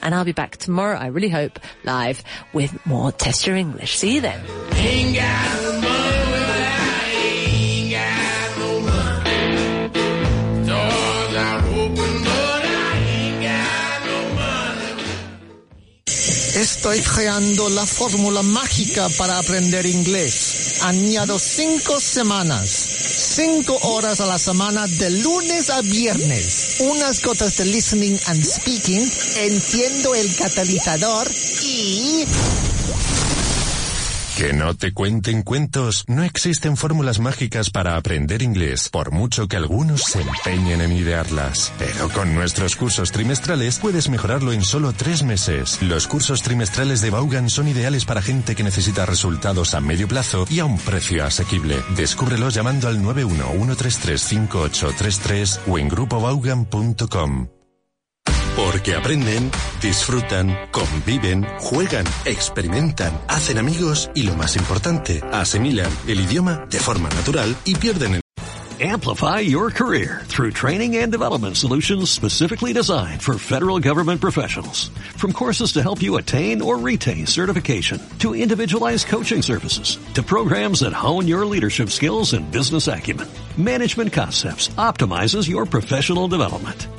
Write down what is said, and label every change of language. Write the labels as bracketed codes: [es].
[en] And I'll be back tomorrow, I really hope, live with more Test Your English. See you then. Ain't got no money, ain't got no money. Doors are open, but I ain't got no money. [es] Estoy creando la fórmula mágica para aprender inglés. Añado 5 semanas, 5 horas a la semana de lunes a viernes, unas gotas de [en] listening and speaking, [es] enciendo el catalizador y... Que no te cuenten cuentos, no existen fórmulas mágicas para aprender inglés, por mucho que algunos se empeñen en idearlas. Pero con nuestros cursos trimestrales puedes mejorarlo en solo 3 meses. Los cursos trimestrales de Vaughan son ideales para gente que necesita resultados a medio plazo y a un precio asequible. Descúbrelos llamando al 91-133-5833 o en grupovaughan.com. Porque aprenden, disfrutan, conviven, juegan, experimentan, hacen amigos y lo más importante, asimilan el idioma de forma natural y pierden el... [en] Amplify your career through training and development solutions specifically designed for federal government professionals. From courses to help you attain or retain certification, to individualized coaching services, to programs that hone your leadership skills and business acumen, Management Concepts optimizes your professional development.